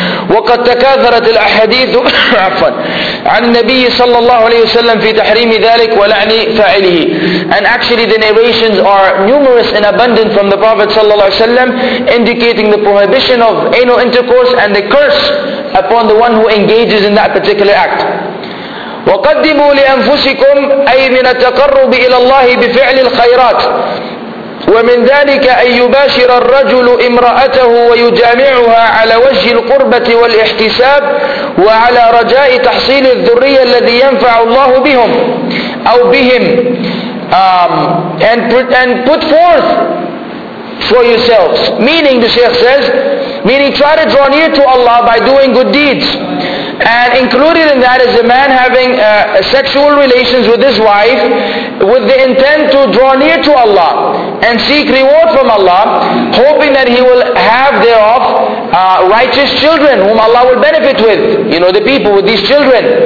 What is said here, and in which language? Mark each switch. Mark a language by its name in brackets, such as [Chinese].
[Arabic] وقد تكاثرت الأحاديث عفوا عن النبي صلى الله عليه وسلم في تحريم ذلك ولعن فاعله, [English] and actually the narrations are numerous and abundant from the Prophet صلى الله عليه وسلم indicating the prohibition of anal intercourse and the curse upon the one who engages in that particular act. [Arabic] وقدموا لأنفسكم أي من التقرب إلى الله بفعل الخيرات ومن ذلك أن يباشر الرجل امرأته ويجامعها على وجه القربة والاحتساب وعلى رجاء تحصيل الذرية الذي ينفع الله بهم أو بهم. [English] And put forth for yourselves, meaning the Shaykh says, meaning try to draw near to Allah by doing good deeds. And included in that is a man having sexual relations with his wife with the intent to draw near to Allah and seek reward from Allah, hoping that he will have thereof righteous children whom Allah will benefit with, you know, the people with these children.